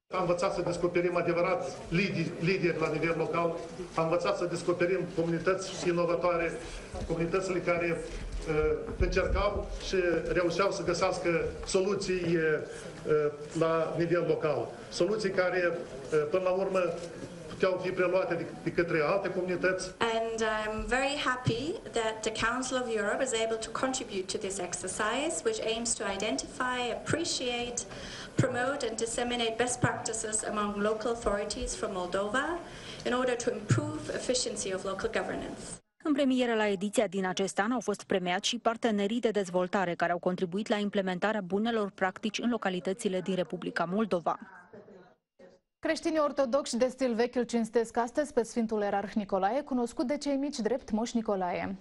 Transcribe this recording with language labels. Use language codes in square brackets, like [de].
[ro] Am învățat să descoperim adevărat lideri la nivel local, am învățat să descoperim comunități inovatoare, comunitățile care încercau și reușeau să găsească soluții la nivel local. Soluții care, până la urmă, puteau fi preluate de către alte comunități. [en] And I'm very happy that the Council of Europe is able to contribute to this exercise, which aims to identify, appreciate, promote and disseminate best practices among local authorities from Moldova in order to improve efficiency of local governance. [ro] În premieră la ediția din acest an au fost premiați și partenerii de dezvoltare care au contribuit la implementarea bunelor practici în localitățile din Republica Moldova. Creștinii ortodoxi de stil vechi îl cinstesc astăzi pe Sfântul Erarh Nicolae, cunoscut de cei mici drept Moș Nicolae.